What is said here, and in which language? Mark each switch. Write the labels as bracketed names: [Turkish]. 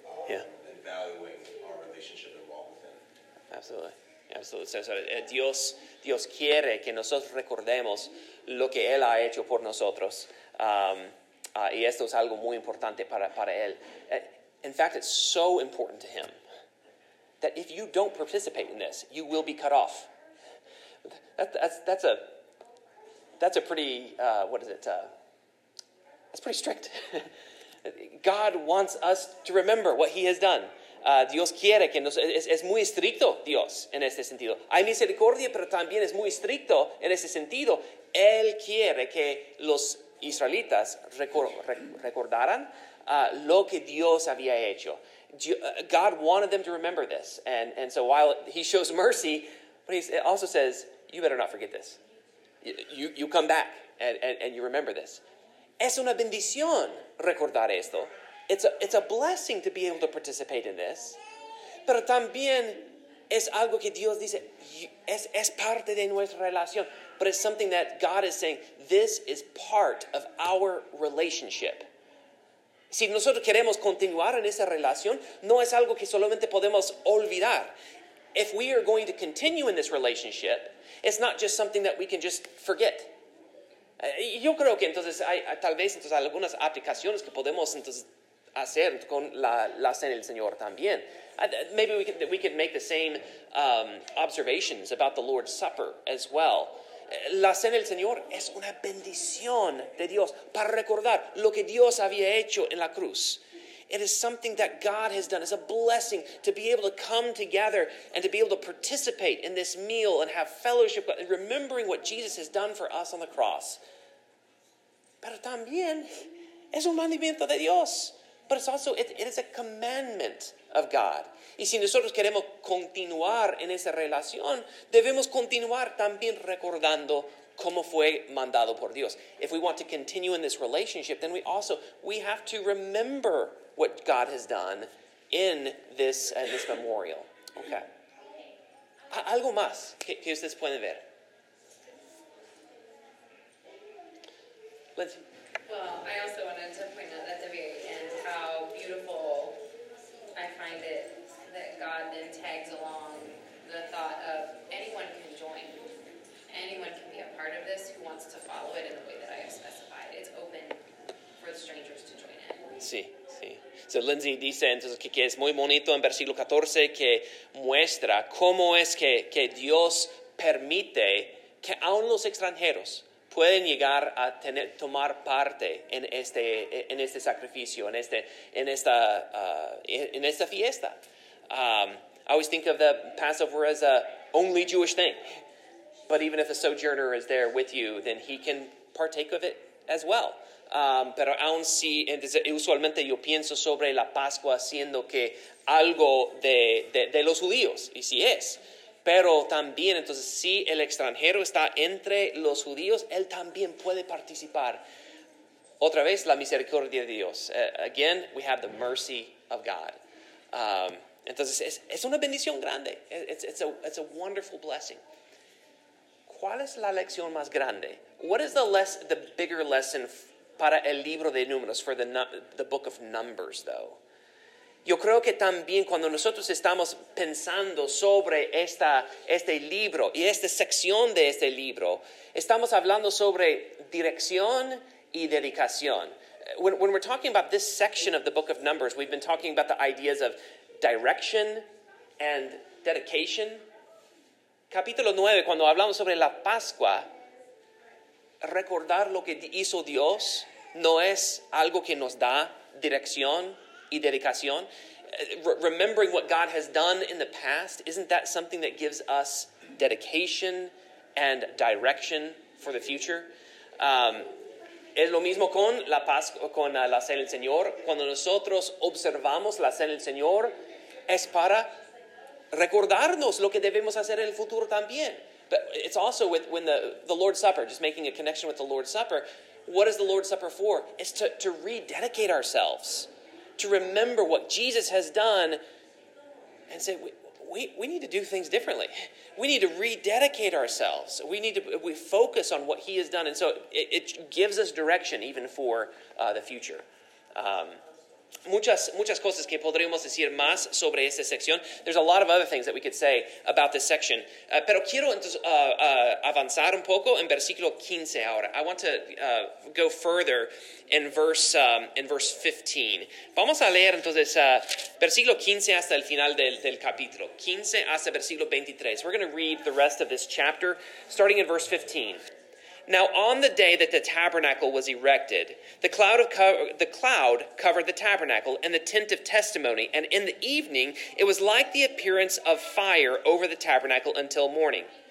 [English] and valuing our relationship and walk with him. Absolutely. Absolutely. [Spanish] So, Dios quiere que nosotros recordemos lo que Él ha hecho por nosotros. Y esto es algo muy importante para Él. [English] In fact, it's so important to Him that if you don't participate in this, you will be cut off. That's pretty strict. God wants us to remember what He has done. [Spanish] Dios quiere que nos... Es muy estricto Dios en este sentido. Hay misericordia, pero también es muy estricto en ese sentido. Él quiere que los israelitas recordaran lo que Dios había hecho. [English] God wanted them to remember this. And so while he shows mercy, but it also says, you better not forget this. You come back and you remember this. [Spanish] Es una bendición recordar esto. [English] It's a blessing to be able to participate in this. [Spanish] Pero también es algo que Dios dice, es parte de nuestra relación. [English] But it's something that God is saying, this is part of our relationship. [Spanish] Si nosotros queremos continuar en esa relación, no es algo que solamente podemos olvidar. [English] If we are going to continue in this relationship, it's not just something that we can just forget. [Spanish] Yo creo que entonces hay tal vez entonces algunas aplicaciones que podemos entonces hacer con la cena del Señor también. [English] Maybe we could make the same observations about the Lord's Supper as well. [Spanish] La cena del Señor es una bendición de Dios para recordar lo que Dios había hecho en la cruz. [English] It is something that God has done. It's a blessing to be able to come together and to be able to participate in this meal and have fellowship, remembering what Jesus has done for us on the cross. [Spanish] Pero también es un mandamiento de Dios. [English] But it's also, it is a commandment of God. [Spanish] Y si nosotros queremos continuar en esa relación, debemos continuar también recordando cómo fue mandado por Dios. [English] If we want to continue in this relationship, then we have to remember what God has done in this memorial. [Spanish] Okay. Algo más que ustedes pueden ver. Lindsay. [English] Well, I also wanted to point out at the very end how beautiful I find it that God then tags along the thought of anyone can join. Anyone can be a part of this who wants to follow it in the way that I have specified. It's open for the strangers to join in. [Spanish] Sí, sí. So Lindsay dice entonces que es muy bonito en versículo 14 que muestra cómo es que Dios permite que aun los extranjeros pueden llegar a tomar parte en este sacrificio, en esta fiesta. [English] I always think of the Passover as a only Jewish thing. But even if a sojourner is there with you, then he can partake of it as well. [Spanish] Pero aun si, usualmente yo pienso sobre la Pascua siendo que algo de los judíos, y si es. Pero también, entonces, si el extranjero está entre los judíos, él también puede participar. Otra vez, la misericordia de Dios. [English] Again, we have the mercy of God. [Spanish] Entonces, es una bendición grande. [English] It's a wonderful blessing. [Spanish] ¿Cuál es la lección más grande? [English] What is the bigger lesson [Spanish] para el libro de Números, [English] for the book of Numbers, though? [Spanish] Yo creo que también cuando nosotros estamos pensando sobre este libro y esta sección de este libro, estamos hablando sobre dirección y dedicación. [English] When we're talking about this section of the book of Numbers, we've been talking about the ideas of direction and dedication. [Spanish] Capítulo 9, cuando hablamos sobre la Pascua, recordar lo que hizo Dios no es algo que nos da dirección y dedicación. [English] Remembering what God has done in the past, isn't that something that gives us dedication and direction for the future? [Spanish] Es lo mismo con la Pascua, con la Cena del Señor. Cuando nosotros observamos la Cena del Señor, es para recordarnos lo que debemos hacer en el futuro también. [English] But it's also with when the Lord's Supper, just making a connection with the Lord's Supper, what is the Lord's Supper for? It's to rededicate ourselves. To remember what Jesus has done and say, we need to do things differently. We need to rededicate ourselves. We need to focus on what he has done. And so it gives us direction even for the future. [Spanish] muchas cosas que podríamos decir más sobre esta sección. [English] There's a lot of other things that we could say about this section. [Spanish] Pero quiero entonces avanzar un poco en versículo 15 ahora. [English] I want to go further in verse 15. [Spanish] Vamos a leer entonces versículo 15 hasta el final del capítulo. 15 hasta versículo 23. [English] We're going to read the rest of this chapter starting in verse 15. Now on the day that the tabernacle was erected, the cloud covered the tabernacle and the tent of testimony, and in the evening it was like the appearance of fire over the tabernacle until morning.